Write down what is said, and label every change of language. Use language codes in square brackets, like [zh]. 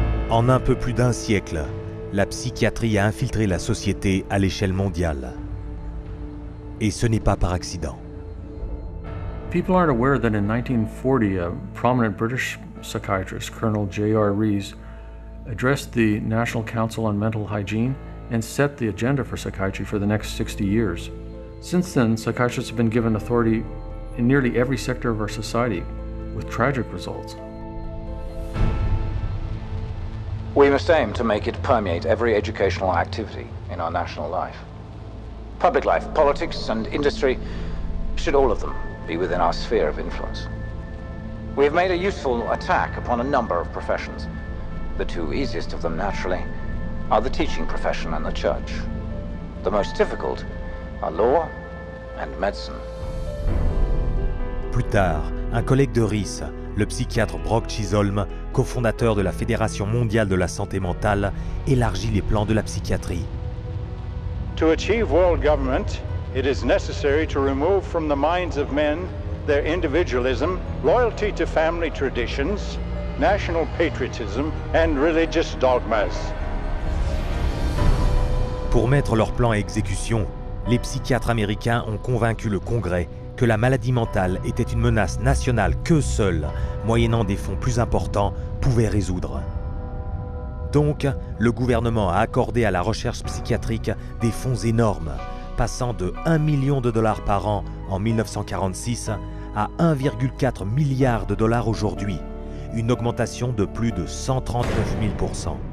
[fr] En un peu plus d'un siècle, la psychiatrie a infiltré la société à l'échelle mondiale. Et ce n'est pas par accident. [en] People aren't aware that in 1940, a prominent British psychiatrist, Colonel J.R. Rees, addressed the National Council on Mental Hygiene and set the agenda for psychiatry for the next 60 years. Since then, psychiatrists have been given authority in nearly every sector of our society, with tragic results. We must aim to make it permeate every educational activity in our national life. Public life, politics, and industry should all of them be within our sphere of influence. We have made a useful attack upon a number of professions. The two easiest of them, naturally, are the teaching profession and the church. The most difficult are law and medicine. [fr] Plus tard, un collègue de Rees, le psychiatre Brock Chisholm, cofondateur de la Fédération mondiale de la santé mentale, élargit les plans de la psychiatrie. [en] To achieve world government, it is necessary to remove from the minds of men their individualism, loyalty to family traditions, national patriotism and religious dogmas. [fr] Pour mettre leur plan à exécution, les psychiatres américains ont convaincu le Congrès que la maladie mentale était une menace nationale qu'eux seuls, moyennant des fonds plus importants, pouvaient résoudre. Donc, le gouvernement a accordé à la recherche psychiatrique des fonds énormes, passant de 1 million de dollars par an en 1946 à 1,4 milliard de dollars aujourd'hui, une augmentation de plus de 139 000%.